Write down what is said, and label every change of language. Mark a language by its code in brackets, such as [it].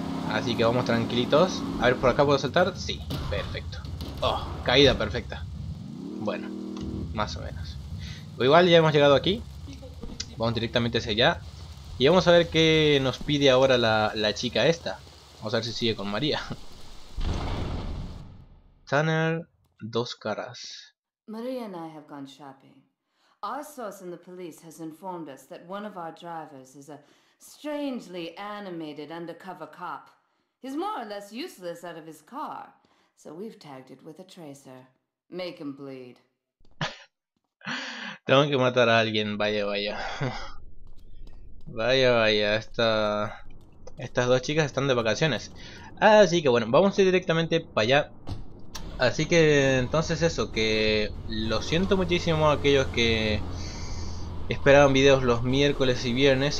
[es] Así que vamos tranquilitos. A ver, ¿por acá puedo saltar? Sí, perfecto. Oh, caída perfecta. Bueno, más o menos. O igual ya hemos llegado aquí. Vamos directamente hacia allá. Y vamos a ver qué nos pide ahora la chica esta. Vamos a ver si sigue con María. Tanner, dos caras. [en] Maria and I have gone shopping. Our source in the police has informed us that one of our drivers is a strangely animated undercover cop. He's more or less useless out of his car, so we've tagged it with a tracer. Make him bleed. [es] Tengo que matar a alguien, vaya, vaya. Vaya, vaya, estas dos chicas están de vacaciones. Así que bueno, vamos a ir directamente para allá. Así que entonces eso, que lo siento muchísimo a aquellos que esperaban videos los miércoles y viernes.